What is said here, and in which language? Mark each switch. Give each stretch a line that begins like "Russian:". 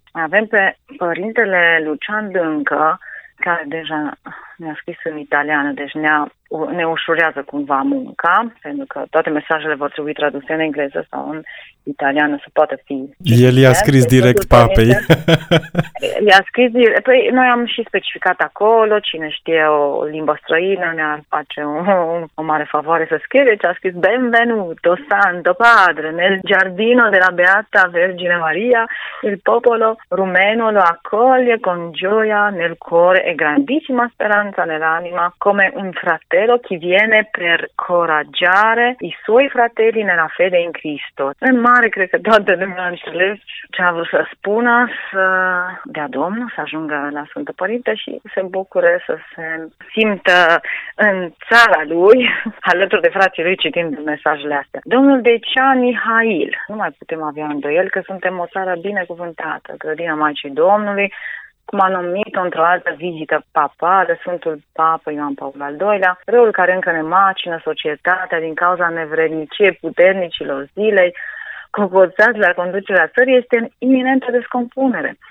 Romanian: Avem pe părintele Lucian Dâncă, care deja ne-a scris în italiană, deci ne ușurează cumva munca, pentru că toate mesajele vor trebui traduse în engleză sau în italiană, să poată fi. El i-a scris direct papei. I-a scris direct.
Italian: Păi noi am și specificat acolo, cine știe o limbă străină ne-ar face o mare favoare să scrie, deci a scris benvenuto, santo padre, nel giardino della Beata Vergine Maria, il popolo rumeno lo accoglie con gioia nel cuore e grandissima speranza nell'anima, come un fratello chi viene per coraggiare i suoi fratelli nella fede in Cristo.
Romanian: În mare, cred că toate lumea înțeles ce a vrut să spună, să dea Domnul, să ajungă la Sfântul Părinte și se bucure să se simtă în țara lui, alături de frații lui, citind mesajele astea. Domnul Decian Mihail, nu mai putem avea îndoieli că suntem o țară binecuvântată, grădina Maicii Domnului, cum a numit-o într-o altă vizită papală, Sfântul Papă Ioan Paul al II-lea, răul care încă ne macină societatea din cauza nevredniciei puternicilor zilei, cocoțați la conducerea țării, este în iminentă descompunere.